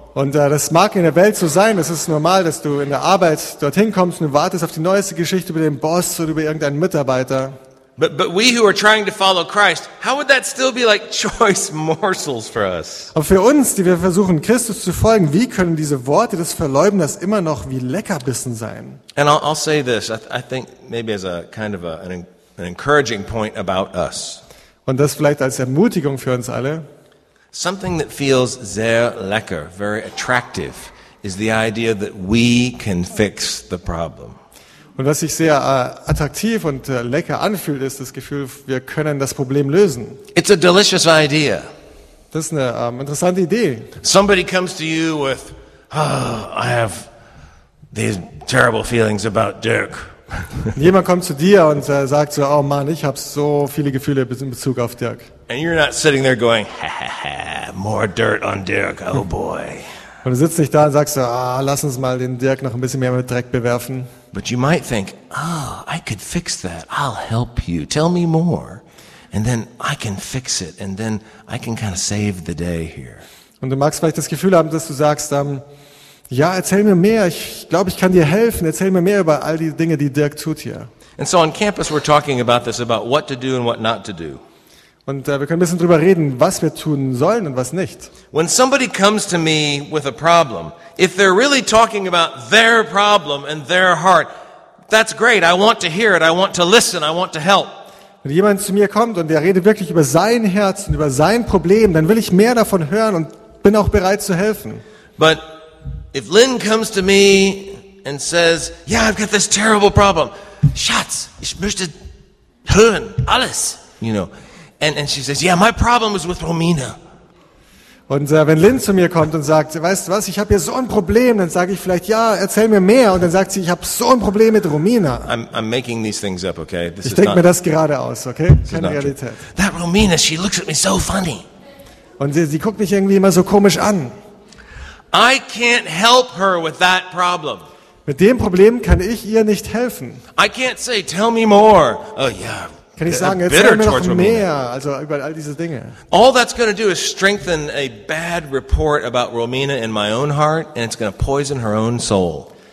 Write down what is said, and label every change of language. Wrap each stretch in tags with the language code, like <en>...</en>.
<de>Und das mag in der Welt so sein, es ist normal, dass du in der Arbeit dorthin kommst und wartest auf die neueste Geschichte über den Boss oder über irgendeinen Mitarbeiter.</de> <en>But we who are trying to follow Christ, how would that still be like choice morsels for us?</en> <de>Aber für uns, die wir versuchen Christus zu folgen, wie können diese Worte des Verleumders immer noch wie Leckerbissen sein?</de> <en>And I'll say this, I think maybe as a kind of an encouraging point about us.</en> <de>Und das vielleicht als Ermutigung für uns alle.</de> <en>Something that feels</en> <de>sehr lecker,</de> <en>very attractive, is the idea that we can fix the problem.</en> <de>Und was sich sehr attraktiv und lecker anfühlt, ist das Gefühl, wir können das Problem lösen.</de> <en>It's a delicious idea.</en> <de>Das ist eine interessante Idee.</de> <en>Somebody comes to you with, I have these terrible feelings about Dirk.</en> <de>Jemand kommt zu dir und sagt so, oh Mann, ich habe so viele Gefühle in Bezug auf Dirk.</de> <en>And you're not sitting there going, ha, ha, ha, more dirt on Dirk, oh boy.</en> <de>Und du sitzt nicht da und sagst, lass uns mal den Dirk noch ein bisschen mehr mit Dreck bewerfen.</de> <en>But you might think, I could fix that, I'll help you, tell me more. And then I can fix it, and then I can kind of save the day here.</en> <de>Und du magst vielleicht das Gefühl haben, dass du sagst, erzähl mir mehr, ich glaube, ich kann dir helfen, erzähl mir mehr über all die Dinge, die Dirk tut hier.</de> <en>And so on campus we're talking about this, about what to do and what not to do.</en> <de>Und wir können ein bisschen drüber reden, was wir tun sollen und was nicht.</de> <en>When somebody comes to me with a problem, if they're really talking about their problem and their heart, that's great. I want to hear it. I want to listen. I want to help.</en> <de>Wenn jemand zu mir kommt und der redet wirklich über sein Herz und über sein Problem, dann will ich mehr davon hören und bin auch bereit zu helfen.</de> <en>But if Lynn comes to me and says, "Yeah, I've got this terrible problem.</en> <de>Schatz, ich möchte hören alles."</de> <en>You know. And she says, "Yeah, my problem is with Romina."</en> <de>Und wenn Lynn zu mir kommt und sagt, weißt du was, ich habe hier so ein Problem, dann sage ich vielleicht, ja, erzähl mir mehr. Und dann sagt sie, ich habe so ein Problem mit Romina.</de> <en>I'm making these things up, okay?</en> <de>This ich denke mir das gerade aus, okay? Keine Realität.</de> <en>True. That Romina, she looks at me so funny.</en> <de>Und sie guckt mich irgendwie immer so komisch an.</de> <en>I can't help her with that problem.</en> <de>Mit dem Problem kann ich ihr nicht helfen.</de> <en>I can't say, tell me more. Oh yeah.</en> <de>Kann ich sagen, erzähl mir noch mehr, also über all diese Dinge.</de> <en>All that's going to do is strengthen a bad report about Romina in my own heart, and it's going to poison her own soul.</en>